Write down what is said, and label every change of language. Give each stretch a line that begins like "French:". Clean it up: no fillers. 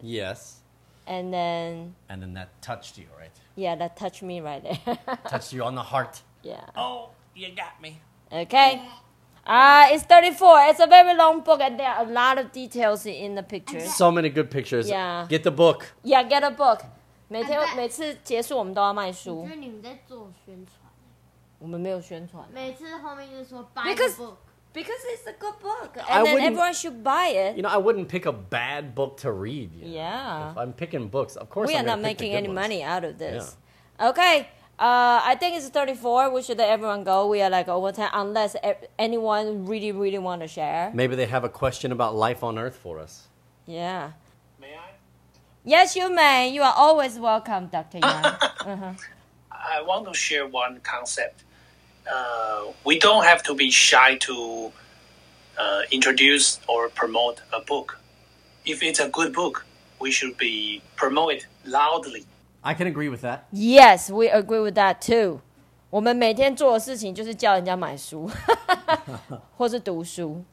English: Yes. And then that touched you, right? Yeah, that touched me right there. Touched you on the heart. Yeah. Oh, you got me. Okay. It's 34. It's a very long book, and there are a lot of details in the pictures. So many good pictures. Yeah. Get the book. Yeah, get a book.
Chinese: 每次结束我们都要卖书。我觉得你们在做宣传。我们没有宣传。每次后面就说
English: buy the book。 Because it's a good book, and then everyone should buy it. You know, I wouldn't pick a bad book to read. You know? Yeah. If I'm picking books, of course we I'm are not pick making any ones. Money out of this. Yeah. Okay, I think it's 34. We should let everyone go. We are like over time, unless anyone really, really want to share. Maybe they have a question about life on Earth for us. Yeah. May I? Yes, you may. You are always welcome, Dr. Yang. Uh-huh. I want to share one concept. We don't have to be shy to introduce or promote a book. If it's a good book, we should be promote it loudly. I can agree with that. Yes, we agree with that too.
Chinese: 我们每天做的事情就是叫人家买书，或是读书。